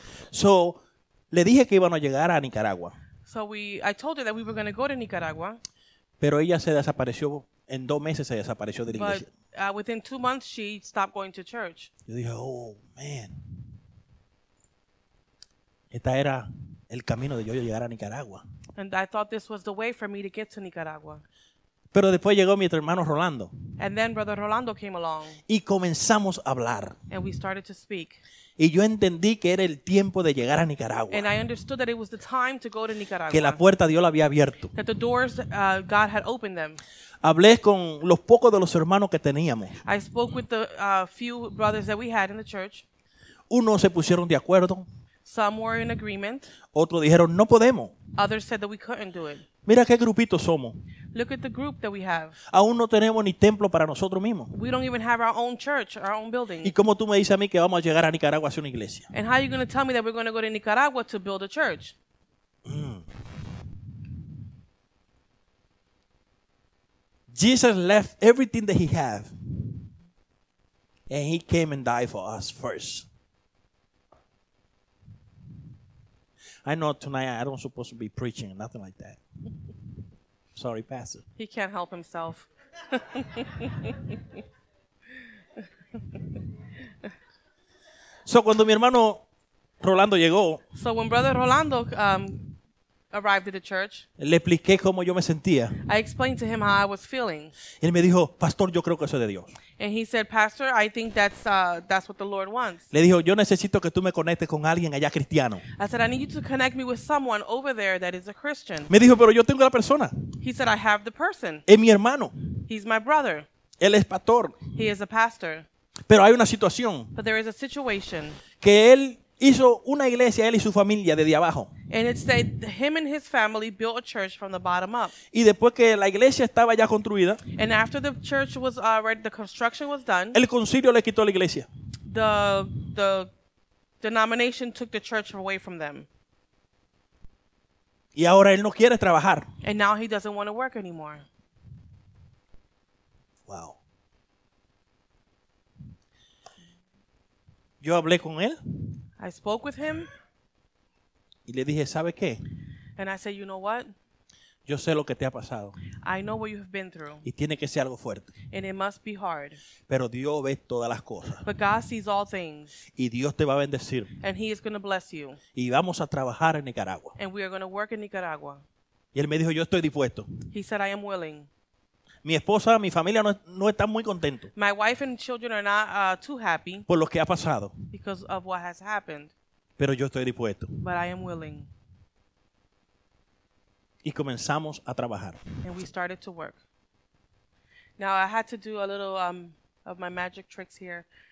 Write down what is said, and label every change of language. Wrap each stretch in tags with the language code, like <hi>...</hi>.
<es>So, le dije que iban a llegar a Nicaragua.</es> <en>So I told her that we were going to go to Nicaragua.</en> <es>Pero ella se desapareció. En 2 meses se desapareció de la iglesia.</es> <en>But within 2 months, she stopped going to church.</en> <es>Yo dije,</es> <en>oh, man.</en> <es>Esta era el camino de yo llegar a Nicaragua.</es> <en>And I thought this was the way for me to get to Nicaragua.</en> <es>Pero después llegó mi hermano Rolando.</es> <en>And then brother Rolando came along.</en> <es>Y comenzamos a hablar.</es> <en>And we started to speak.</en> <es>Y yo entendí que era el tiempo de llegar a Nicaragua.</es> <en>And I understood that it was the time to go to Nicaragua.</en> <es>Que la puerta Dios la había abierto.</es> <en>That the doors, God had opened them.</en> <es>Hablé con los pocos de los hermanos que teníamos.</es> <en>I spoke with the few brothers that we had in the church.</en> <es>Unos se pusieron de acuerdo.</es> <en>Some were in agreement.</en> <es>Otros dijeron, no podemos.</es> <en>Others said that we couldn't do it.</en> <es>Mira qué grupito somos.</es> <en>Look at the group that we have.</en> <es>Aún no tenemos ni templo para nosotros mismos.</es> <en>We don't even have our own church, our own building.</en> <es>¿Y cómo tú me dices a mí que vamos a llegar a Nicaragua a hacer una iglesia?</es> <en>And how are you going to tell me that we're going to go to Nicaragua to build a church? Jesus left everything that he had. And he came and died for us first. I know tonight I don't supposed to be preaching or nothing like that. Sorry, Pastor. He can't help himself.</en> <es>So cuando mi hermano Rolando llegó,</es> <en>so when brother Rolando arrived at the church,</en> <es>le expliqué cómo yo me sentía.</es> <en>I explained to him how I was feeling.</en> <es>Y él me dijo, Pastor, yo creo que eso es de Dios.</es> <en>And he said, Pastor, I think that's what the Lord wants.</en> <es>Le dijo, yo necesito que tú me conectes con alguien allá cristiano.</es> <en>I said, I need you to connect me with someone over there that is a Christian.</en> <es>Me dijo, pero yo tengo la persona.</es> <en>He said, I have the person.</en> <es>Es mi hermano.</es> <en>He's my brother.</en> <es>Él es pastor.</es> <en>He is a pastor.</en> <es>Pero hay una situación.</es> <en>But there is a situation.</en> <es>Que él hizo una iglesia, él y su familia, desde abajo.</es> <en>And it said him and his family built a church from the bottom up.</en> <es>Y después que la iglesia estaba ya construida,</es> <en>and after the church was already, the construction was done,</en> <es>el concilio le quitó la iglesia.</es> <en>the denomination took the church away from them.</en> <es>Y ahora él no quiere trabajar.</es> <en>And now he doesn't want to work anymore. Wow.</en> <es>Yo hablé con él.</es> <en>I spoke with him.</en> <es>Y le dije, ¿sabe qué?</es> <en>And I said, you know what?</en> <es>Yo sé lo que te ha pasado.</es> <en>I know what you have been through.</en> <es>Y tiene que ser algo fuerte.</es> <en>And it must be hard.</en> <es>Pero Dios ve todas las cosas.</es> <en>But God sees all things.</en> <es>Y Dios te va a bendecir.</es> <en>And he is going to bless you.</en> <es>Y vamos a trabajar en Nicaragua.</es> <en>And we are going to work in Nicaragua.</en> <es>Y él me dijo, yo estoy dispuesto.</es> <en>He said, I am willing.</en> <es>Mi esposa, mi familia no están muy contentos.</es> <en>My wife and children are not too happy.</en> <es>Por lo que ha pasado.</es> <en>Because of what has happened.</en> <es>Pero yo estoy dispuesto.</es> <en>But I am willing.</en> <es>Y comenzamos a trabajar.</es> <en>And we started to work. Now I had to do a little of my magic tricks here.</en>